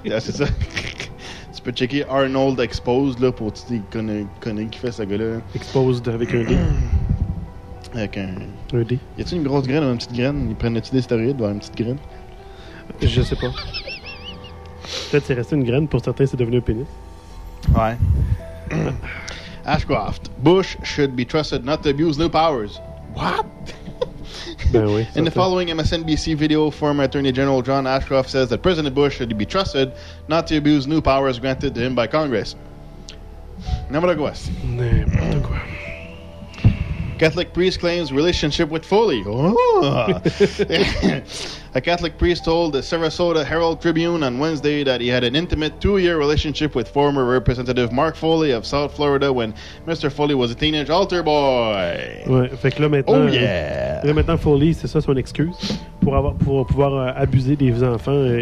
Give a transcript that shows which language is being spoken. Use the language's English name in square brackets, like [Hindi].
[French] Yeah, c'est ça. Tu peux checker Arnold Exposed, là, pour tu connais qui fait ce gars-là. Exposed avec un D. Avec un... Un D. Y a-t-il une grosse graine ou une petite graine? Il prenait-tu des stéroïdes ou une petite graine? Je sais pas. Peut-être c'est resté une graine, pour certains c'est devenu un pénis. Ouais. Ashcroft. [English] Bush should be trusted not to abuse new powers. What? [French] Ben oui, [English] in the following MSNBC video, former Attorney General John Ashcroft says that President Bush should be trusted not to abuse new powers granted to him by Congress. [French] N'importe quoi. N'importe quoi. [English] Catholic priest claims relationship with Foley. A Catholic priest told the Sarasota Herald Tribune on Wednesday that he had an intimate 2-year relationship with former Representative Mark Foley of South Florida when Mr. Foley was a teenage altar boy. [French] Ouais, fait que là maintenant, [English] oh yeah. [French] Là maintenant Foley, c'est ça son excuse pour pouvoir abuser des enfants.